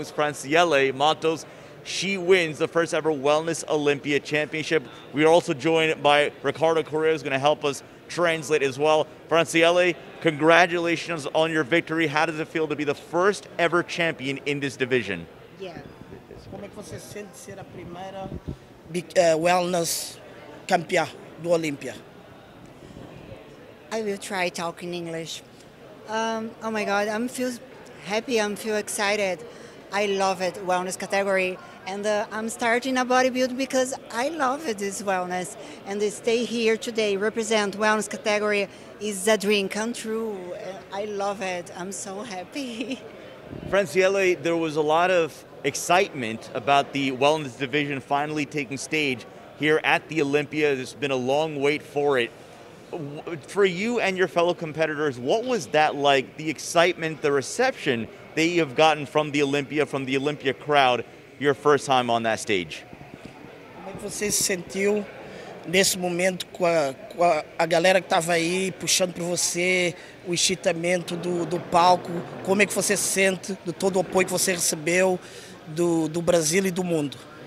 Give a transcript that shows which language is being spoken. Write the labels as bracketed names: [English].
[English] It's Franciele Matos. She wins the first ever Wellness Olympia championship. We are also joined by Ricardo Correa, who's going to help us translate as well. Franciele, congratulations on your victory. How does it feel to be the first ever champion in this division? Yeah. [Portuguese] Como é que você sente ser a primeira wellness campeã do Olympia? [English] I will try talking English. Oh my God, I'm feel happy. I'm feel excited. I love it, wellness category. And I'm starting a bodybuild because I love it, this wellness. And to stay here today, represent wellness category, is a dream come true. I love it. I'm so happy. Franciele, there was a lot of excitement about the wellness division finally taking stage here at the Olympia. It's been a long wait for it. For you and your fellow competitors, what was that like, the excitement, the reception that you have gotten from the Olympia, from the Olympia crowd, your first time on that stage? [Portuguese] Como você se sentiu nesse momento com a galera que estava aí puxando para você, o excitamento do palco? Como é que você se sente de todo o apoio que você recebeu do Brasil e do mundo?